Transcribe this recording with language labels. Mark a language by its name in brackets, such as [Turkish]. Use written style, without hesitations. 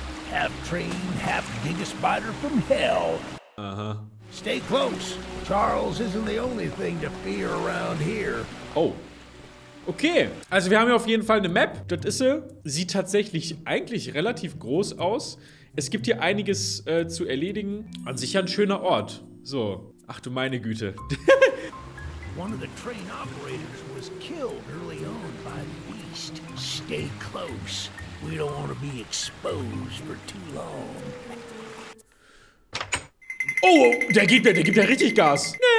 [English] Half train, half giga spider from hell. Uh-huh. Stay close. Charles isn't the only thing to fear around here. Oh. Okay. [German] Also wir haben hier auf jeden Fall eine Map. Das ist sie. Sieht tatsächlich eigentlich relativ groß aus. Es gibt hier einiges zu erledigen. An sich ein schöner Ort. So. Ach du meine Güte. [English] One of the train operators was killed early on by the beast. Stay close. We don't want to be exposed for too long. [German] Oh, der gibt ja richtig Gas.